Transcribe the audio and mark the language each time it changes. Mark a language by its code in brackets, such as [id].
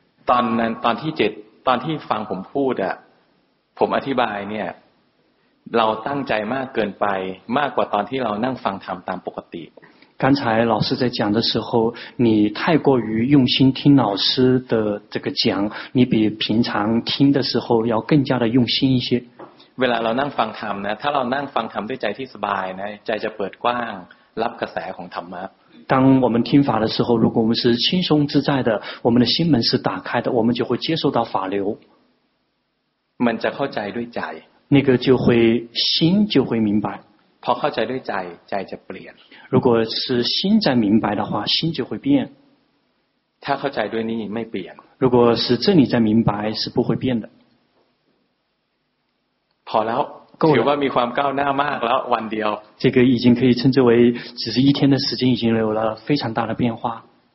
[th] ตอนที่เจ็ดตอนที่ฟังผมพูดอ่ะผมอธิบายเนี่ยเราตั้งใจมากเกินไปมากกว่าตอนที่เรานั่งฟังธรรมตามปกติ [zh] 刚才老师在讲的时候你太过于用心听老师的这个讲你比平常听的时候要更加的用心一些 [th] เวลาเรานั่งฟังธรรมนะถ้าเรานั่งฟังธรรมด้วยใจที่สบายนะใจจะเปิดกว้างรับกระแสของธรรมะ [zh] 当我们听法的时候如果我们是轻松自在的我们的心门是打开的我们就会接受到法流 [th] มันจะเข้าใจด้วยใจ [zh] 那个就会心就会明白 [th] พอเข้าใจด้วยใจใจจะเปลี่ยน [zh] 如果是心在明白的话心就会变 [th] ถ้าเข้าใจด้วยนี้ไม่เปลี่ยน [zh] 如果是这里在明白是不会变的 [th] พอแล้ว ถือ ว่ามีความก้าวหน้ามากแล้ววันเดียว [zh] 这个已经可以称之为只是一天的时间已经有了非常大的变化